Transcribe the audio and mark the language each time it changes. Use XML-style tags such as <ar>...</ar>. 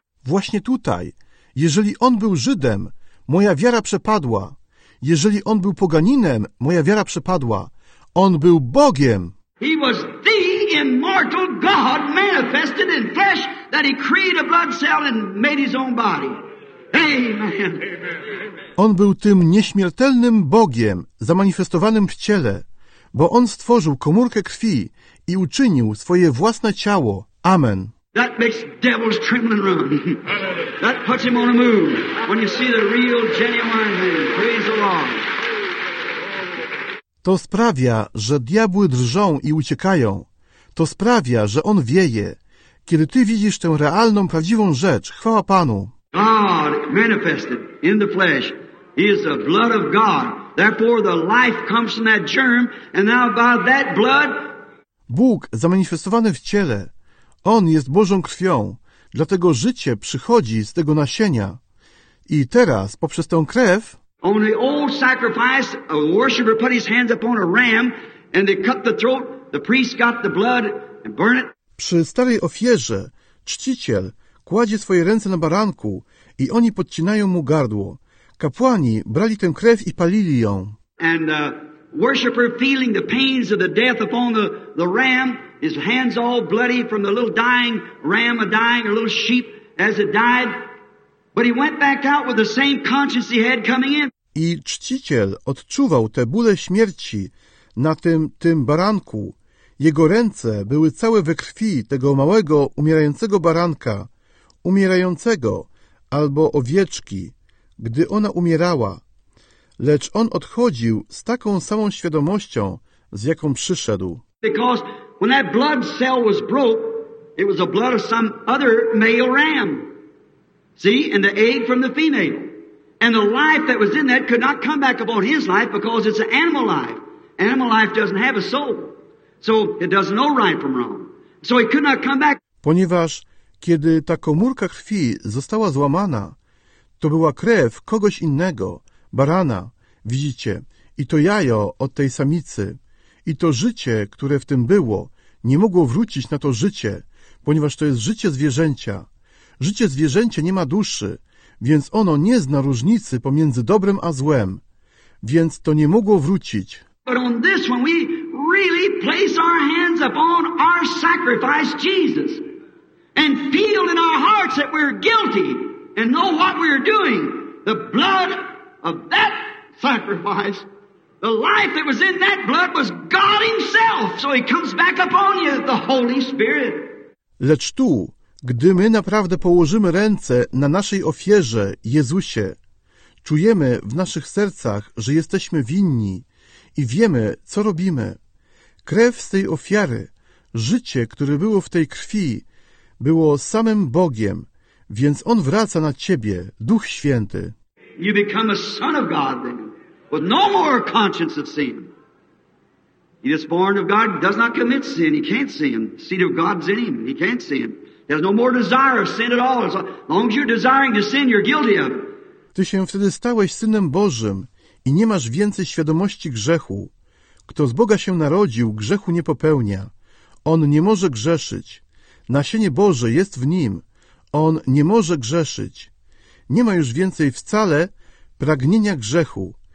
<pl>Właśnie tutaj, jeżeli on był Żydem, moja wiara przepadła. Jeżeli on był poganinem, moja wiara przepadła. On był Bogiem.</pl> <en>He was the immortal God manifested in flesh that he created a blood cell and made his own body. Amen.</en> <pl>On był tym nieśmiertelnym Bogiem zamanifestowanym w ciele, bo on stworzył komórkę krwi i uczynił swoje własne ciało. Amen.</pl> <en>That makes devils tremble and run. That puts him on a move when you see the real genuine thing. Praise the Lord.</en> <pl>To sprawia, że diabły drżą i uciekają. To sprawia, że on wieje. Kiedy ty widzisz tę realną, prawdziwą rzecz, chwała Panu.</pl> <en>God manifested in the flesh is the blood of God. Therefore the life comes from that germ and now by that blood.</en> <pl>Bóg zamanifestowany w ciele. On jest Bożą krwią. Dlatego życie przychodzi z tego nasienia. I teraz poprzez tę krew.</pl> <en>On the old sacrifice, a worshiper put his hands upon a ram and they cut the throat. The priest got the blood and burn it.</en> <pl>Przy starej ofierze czciciel kładzie swoje ręce na baranku i oni podcinają mu gardło. Kapłani brali tę krew i palili ją.</pl> <en>And the worshiper feeling the pains of the death upon the ram, his hands all bloody from the little dying ram, a little sheep as it died. But he went back out with the same conscience he had coming in.</en> <pl>I czciciel odczuwał te bóle śmierci na tym baranku. Jego ręce były całe we krwi tego małego, umierającego baranka, umierającego albo owieczki, gdy ona umierała. Lecz on odchodził z taką samą świadomością, z jaką przyszedł.</pl> <en>Because when that blood cell was broke, it was the blood of some other male ram. See, and the egg from the female. And the life that was in that could not come back upon his life because it's an animal life. Animal life doesn't have a soul. So it doesn't know right from wrong. So he could not come back.</en> <pl>Ponieważ kiedy ta komórka krwi została złamana, to była krew kogoś innego, barana, widzicie, i to jajo od tej samicy, i to życie, które w tym było, nie mogło wrócić na to życie, ponieważ to jest życie zwierzęcia. Życie zwierzęcia nie ma duszy, więc ono nie zna różnicy pomiędzy dobrem a złem, więc to nie mogło wrócić.</pl> <en>But on this one we really place our hands upon our sacrifice, Jesus, and feel in our hearts that we're guilty and know what we're doing. The blood of that sacrifice, the life that was in that blood was God Himself. So He comes back upon you, the Holy Spirit.</en> <pl>Lecz tu, gdy my naprawdę położymy ręce na naszej ofierze, Jezusie, czujemy w naszych sercach, że jesteśmy winni i wiemy, co robimy. Krew z tej ofiary, życie, które było w tej krwi, było samym Bogiem, więc On wraca na Ciebie, Duch Święty.</pl> <en>You become a son of God then, with no more conscience of sin. He is born of God, does not commit sin, he can't sin. Seed of God's in him, he can't sin. He has no more desire of sin at all. As long as you're desiring to sin, you're guilty of it.</en> <pl>Ty się wtedy stałeś Synem Bożym i nie masz więcej świadomości grzechu. Kto z Boga się narodził, grzechu nie popełnia. On nie może grzeszyć. Nasienie Boże jest w nim. On nie może grzeszyć. Nie ma już więcej wcale pragnienia grzechu.</pl>